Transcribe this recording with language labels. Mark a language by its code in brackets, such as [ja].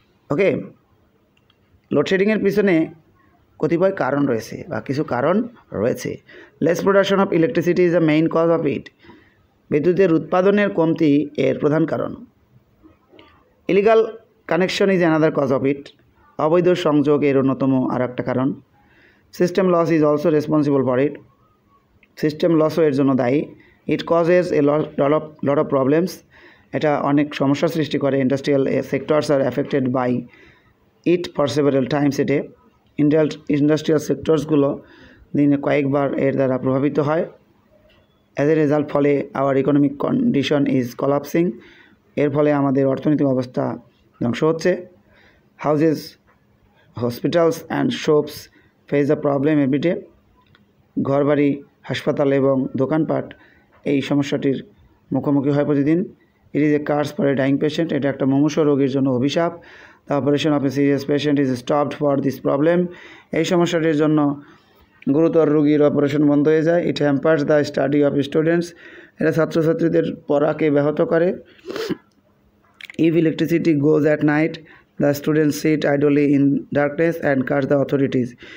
[bn] ওকে, লোডশেডিংয়ের পিছনে কতিপয় কারণ রয়েছে বা কিছু কারণ রয়েছে। [en] less production of electricity is the main cause of it, [bn] বিদ্যুতের উৎপাদনের কমতি এর প্রধান কারণ। [en] illegal connection is another cause of it, [bn] অবৈধ সংযোগ এর অন্যতম আর একটা কারণ। [en] System loss is also responsible for it. [bn] System loss এর জন্য দায়ী. [en] It causes a lot of problems. [bn] এটা অনেক সমস্যা সৃষ্টি করে. [en] Industrial sectors are affected by it for several times a day. [bn] Industrial sectors গুলো দিনে কয়েকবার এর দ্বারা প্রভাবিত হয়. [en] As a result, [bn] ফলে [en] our economic condition is collapsing. [bn] এর ফলে আমাদের অর্থনৈতিক অবস্থা ধ্বংস হচ্ছে. [en] Houses, hospitals and shops face the problem every day. [bn] ঘরবাড়ি, হাসপাতাল এবং দোকানপাট এই সমস্যাটির মুখোমুখি হয় প্রতিদিন. [en] It is a curse for a dying patient. [bn] এটা একটা মুমূর্ষু রোগীর জন্য অভিশাপ. [en] The operation of a serious patient is stopped for this problem. [bn] এই সমস্যাটির জন্য গুরুতর রোগীর অপারেশন বন্ধ হয়ে যায়. [en] It hampers the study of students. [bn] এটা ছাত্রছাত্রীদের পড়াকে ব্যাহত করে. [en] If electricity goes at night the students sit idly in darkness and curse the authorities.